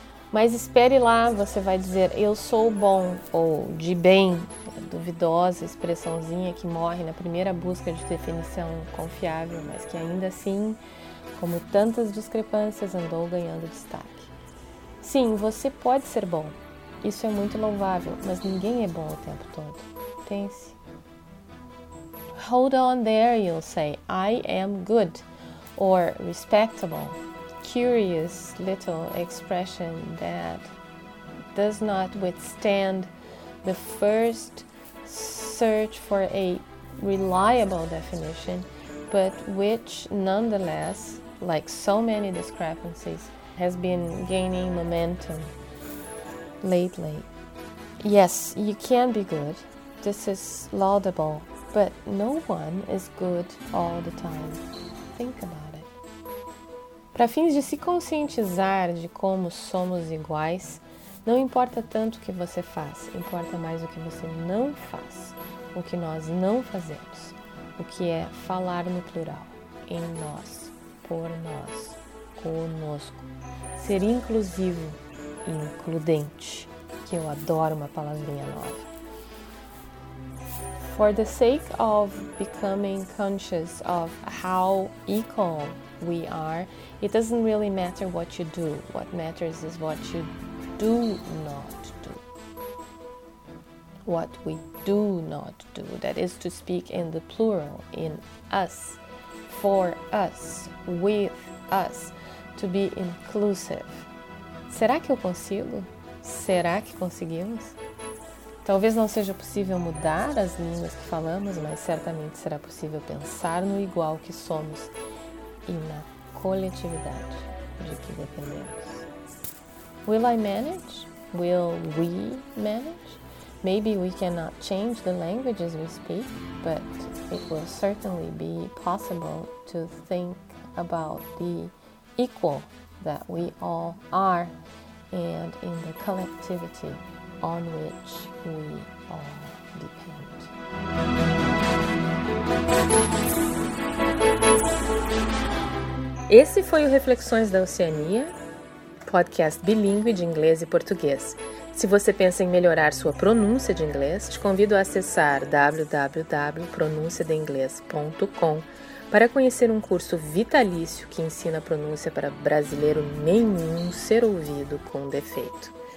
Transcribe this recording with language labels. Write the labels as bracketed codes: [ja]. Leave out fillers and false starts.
[pt] Mas espere lá, você vai dizer, eu sou bom, ou de bem, duvidosa expressãozinha que morre na primeira busca de definição confiável, mas que ainda assim, como tantas discrepâncias, andou ganhando destaque. Sim, você pode ser bom, isso é muito louvável, mas ninguém é bom o tempo todo. Pense. [en] Hold on there, you'll say, I am good, or respectable. Curious little expression that does not withstand the first search for a reliable definition, but which nonetheless, like so many discrepancies, has been gaining momentum lately. Yes, you can be good, this is laudable, but no one is good all the time. Think about it. [pt] Para fins de se conscientizar de como somos iguais, não importa tanto o que você faz, importa mais o que você não faz, o que nós não fazemos, o que é falar no plural, em nós, por nós, conosco. Ser inclusivo, includente, que eu adoro uma palavrinha nova. [en] For the sake of becoming conscious of how equal we are. It doesn't really matter what you do. What matters is what you do not do. What we do not do. That is to speak in the plural, in us, for us, with us, to be inclusive. [pt] Será que eu consigo? Será que conseguimos? Talvez não seja possível mudar as línguas que falamos, mas certamente será possível pensar no igual que somos e na coletividade de que dependemos. [en] Will I manage? Will we manage? Maybe we cannot change the languages we speak, but it will certainly be possible to think about the equal that we all are and in the collectivity on which we all depend. [pt] Esse foi o Reflexões da Oceania, podcast bilíngue de inglês e português. Se você pensa em melhorar sua pronúncia de inglês, te convido a acessar www.pronunciadeinglês.com para conhecer um curso vitalício que ensina a pronúncia para brasileiro nenhum ser ouvido com defeito.